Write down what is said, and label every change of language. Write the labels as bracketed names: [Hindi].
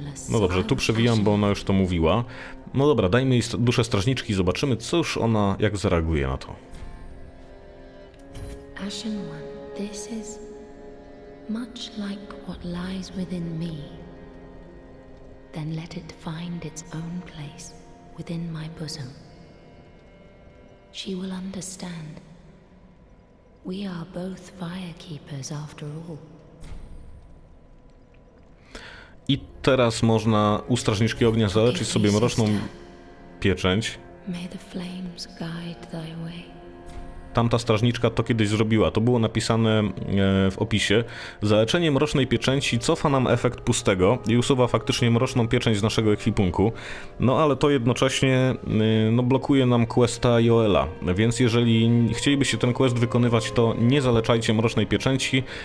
[Polish] No dobrze, tu przewijam, bo ona już to mówiła. No dobra, dajmy jej duszę strażniczki i zobaczymy, cóż ona, jak zareaguje na to. [English] Ashen One, this is much like what lies within me. Then let it find its own place. Within my bosom. She will understand. We are both fire keepers after all. [Polish] I teraz można u strażniczki ognia zaleczyć sobie mroczną pieczęć. [English] May the flames guide thy way. [Polish] Tamta strażniczka to kiedyś zrobiła. To było napisane w opisie. Zaleczenie mrocznej pieczęci cofa nam efekt pustego i usuwa faktycznie mroczną pieczęć z naszego ekwipunku. No ale to jednocześnie blokuje nam questa Joela. Więc jeżeli chcielibyście ten quest wykonywać, to nie zaleczajcie mrocznej pieczęci.